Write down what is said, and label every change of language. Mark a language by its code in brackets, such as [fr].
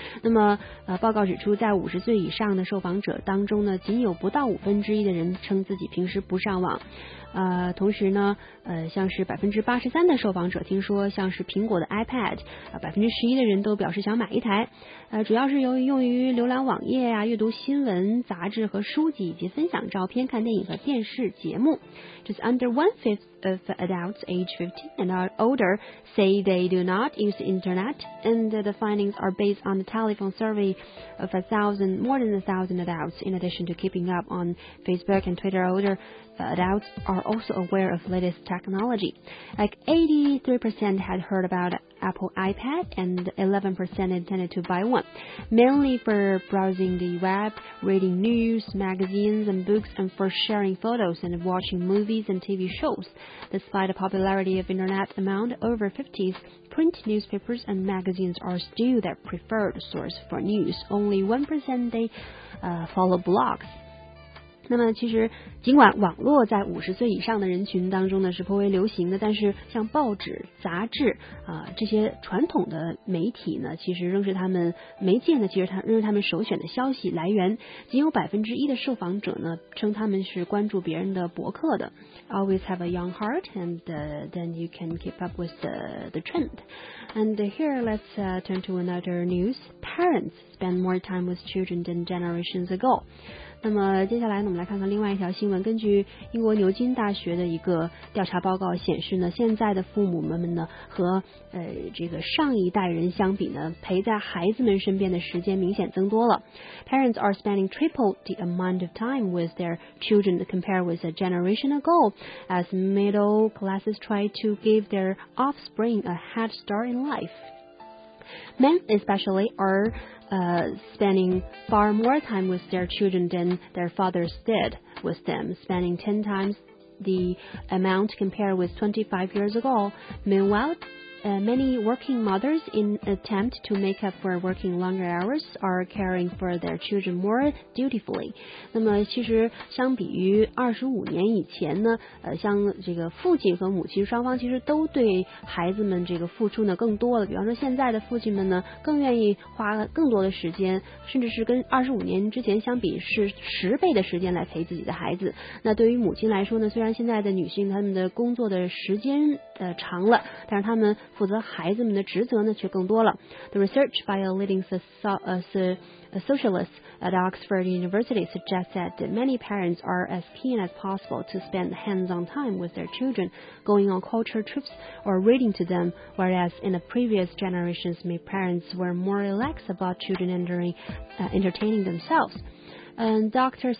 [zh] 那么报告指出，在50岁以上的受访者当中呢，仅有不到1/5的人称自己平时不上网。同时呢，像是83%的受访者听说像是苹果的 iPad， 11%的人都表示想买一台。主要是由于用于浏览网页呀、阅读新闻、杂志和书籍，以及分享照片、看电影和电视节目。 [en] Just under 1/5 of adults age 15 and are older say they do not use the internet, and the findings are based on the telephone survey of more than a thousand adults. In addition to keeping up on Facebook and Twitter, older adults are also aware of latest technology. Like 83% had heard about Apple iPad and 11% intended to buy one, mainly for browsing the web, reading news, magazines and books, and for sharing photos and watching movies and TV shows. Despite the popularity of internet among over 50s, print newspapers and magazines are still their preferred source for news. Only 1% they follow blogs. [zh] 那么其实尽管网络在50岁以上的人群当中呢是颇为流行的，但是像报纸、杂志这些传统的媒体呢，其实仍是他们媒介呢，其实仍是他们首选的消息来源。仅有1%的受访者呢称他们是关注别人的博客的。 [en] Always have a young heart and then you can keep up with the trend. And here let's turn to another news. Parents spend more time with children than generations ago. [zh] 那么接下来呢我们来看看另外一条新闻。根据英国牛津大学的一个调查报告显示呢，现在的父母们呢和这个上一代人相比呢，陪在孩子们身边的时间明显增多了。 [en] Parents are spending triple the amount of time with their children compared with a generation ago as middle classes try to give their offspring a head start in life. Men especially areSpending far more time with their children than their fathers did with them, spending 10 times the amount compared with 25 years ago. Meanwhile, many working mothers in attempt to make up for working longer hours are caring for their children more dutifully. [zh] 那么其实相比于25年以前呢，像这个父亲和母亲双方其实都对孩子们这个付出呢更多了，比方说现在的父亲们呢更愿意花更多的时间，甚至是跟25年之前相比是十倍的时间来陪自己的孩子。那对于母亲来说呢，虽然现在的女性她们的工作的时间长了，但是她们负责孩子们的职责呢却更多了。 [en] The research by a leading socialist at Oxford University suggests that many parents are as keen as possible to spend hands-on time with their children, going on culture trips or reading to them, whereas in the previous generations, many parents were more relaxed about children entertaining themselves. Dr.